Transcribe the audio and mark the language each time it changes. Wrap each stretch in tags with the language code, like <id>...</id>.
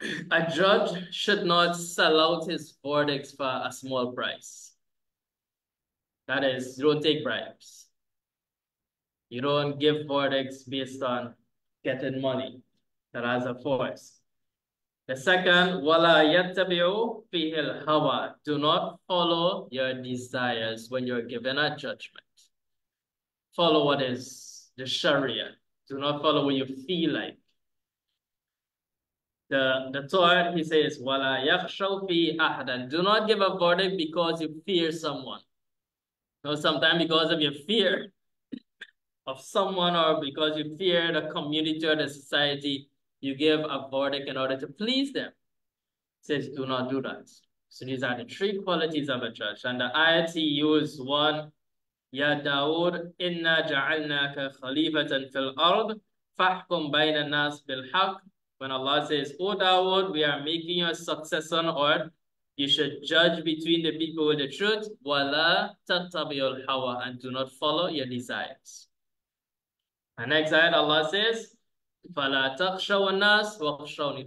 <en>A judge should not sell out his verdicts for a small price. That is, you don't take bribes. You don't give verdicts based on getting money. That has a force. The second,</en> <ar>وَلَا يَتَّبِعُوا فِيهِ الْهَوَى.</ar> <en>Do not follow your desires when you're given a judgment. Follow what is the Sharia. Do not follow what you feel like. The third, he says,</en> <ar>وَلَا يَخْشَوْ فِي أَحْدًا.</ar> <en>Do not give a verdict because you fear someone. You know, sometimes because of your fear of someone or because you fear the community or the society, you give a verdict in order to please them. He says, do not do that. So these are the three qualities of a judge. And the ayat he used, one,</en> <ar>يَا دَاوُدْ إِنَّا جَعَلْنَاكَ خَلِيفَةً فِي الْأَرْضِ فَحْكُمْ بَيْنَ النَّاسِ بِالْحَقِّ.</ar> <en>When Allah says, O Dawood, we are making you a successor on earth, you should judge between the people with the truth.</en> <ar>Wala tattabi'u al-hawa,</ar> <en>and do not follow your desires. And next ayat, Allah says,</en> <ar>Fala takshaw an-nas wa khshawni.</ar>